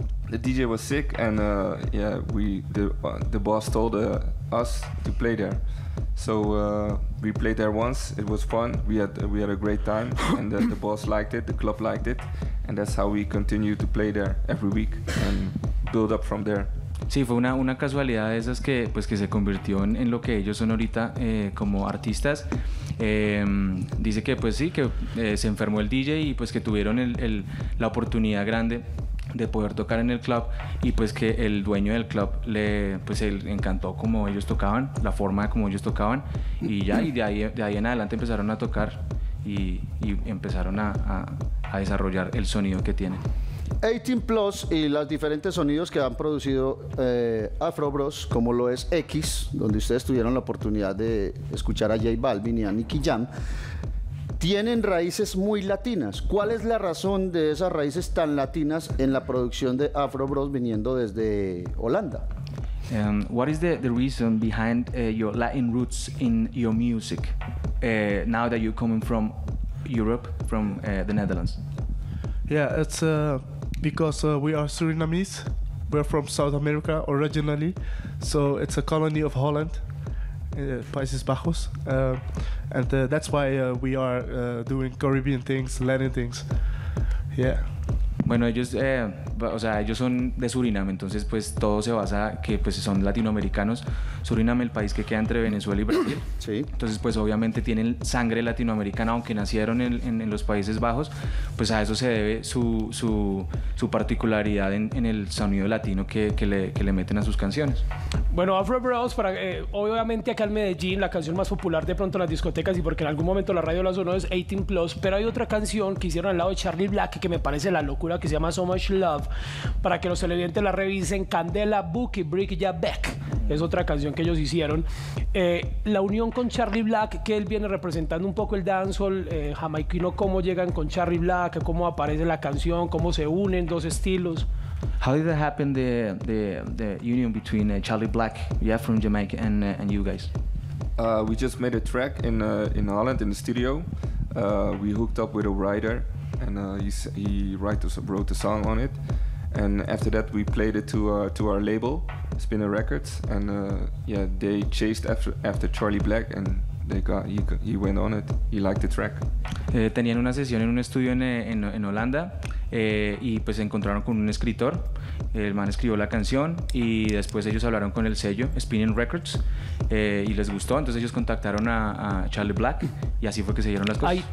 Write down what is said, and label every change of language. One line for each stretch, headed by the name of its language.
English: The DJ was sick, and the boss told us to play there. So we played there once. It was fun. We had a great time, and the boss liked it. The club liked it, and that's how we continue to play there every week and build up from there.
Spanish: Sí, fue una casualidad de esas que se convirtió en lo que ellos son ahorita como artistas. Dice que pues sí, que se enfermó el DJ y pues que tuvieron la oportunidad grande de poder tocar en el club, y pues que el dueño del club le encantó cómo ellos tocaban, la forma como ellos tocaban, y ya, y de ahí en adelante empezaron a tocar y empezaron a desarrollar el sonido que tienen. 18 Plus y los diferentes sonidos que han producido Afro Bros, como lo es X, donde ustedes tuvieron la oportunidad de escuchar a J Balvin y a Nicky Jam, tienen raíces muy latinas. ¿Cuál es la razón de esas raíces tan latinas en la producción de Afro Bros viniendo desde Holanda?
English: What is the reason behind your Latin roots in your music now that you're coming from Europe, from the Netherlands? Yeah, it's because we are Surinamese. We're from South America originally, so it's a colony of Holland, Países Bajos, and that's why we are doing Caribbean things, Latin things. Yeah.
Spanish: Bueno, ellos son de Surinam, entonces pues todo se basa que pues son latinoamericanos. Surinam, el país que queda entre Venezuela y Brasil. Sí. Entonces pues obviamente tienen sangre latinoamericana, aunque nacieron en los Países Bajos, pues a eso se debe su particularidad en el sonido latino que le meten a sus canciones. Bueno, Afro Bros, obviamente acá en Medellín la canción más popular de pronto en las discotecas, y porque en algún momento la radio la sonó, es 18 Plus, pero hay otra canción que hicieron al lado de Charlie Black que me parece la locura, que se llama So Much Love, para que los televidentes la revisen, Candela, Buki, Brick, Ya Beck, es otra canción que ellos hicieron. La unión con Charlie Black, que él viene representando un poco el dancehall jamaicano, cómo llegan con Charlie Black, cómo aparece la canción, cómo se unen dos estilos.
English: How did that happen, the union between Charlie Black, yeah, from Jamaica, and you guys? We just made a track in Holland in the studio. We hooked up with a writer, and wrote a song on it. And after that, we played it to our label, Spinner Records. And they chased after Charlie Black, and he went on it. He liked the track.
Spanish: Tenían una sesión en un estudio en Holanda y pues se encontraron con un escritor. El man escribió la canción y después ellos hablaron con el sello Spinning Records y les gustó. Entonces ellos contactaron a Charlie Black y así fue que se dieron las cosas.